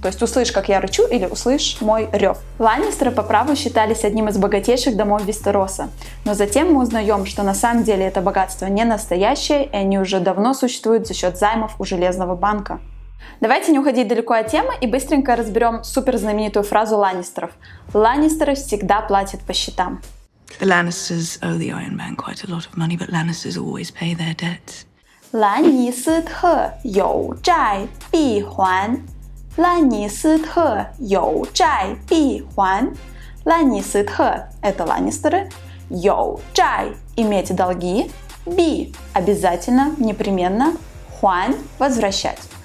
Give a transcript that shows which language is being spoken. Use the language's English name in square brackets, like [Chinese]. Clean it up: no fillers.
[Russian] То есть услышь, как я рычу, или услышь мой рев. Ланнистеры по праву считались одним из богатейших домов Вестероса. Но затем мы узнаем, что на самом деле это богатство не настоящее, и они уже давно существуют за счет займов у Железного банка. Давайте не уходить далеко от темы и быстренько разберем суперзнаменитую фразу Ланнистеров. Ланнистеры всегда платят по счетам. [English] The Lannisters owe the Iron Man quite a lot of money, but Lannisters always pay their debts. [Chinese] Ланнистеры有债必还. Ланнистеры有债必还. [Russian] Ланнистеры – это Ланнистеры. [Chinese] 有债– [Russian] иметь долги. Би – обязательно, непременно. Хуан – возвращать.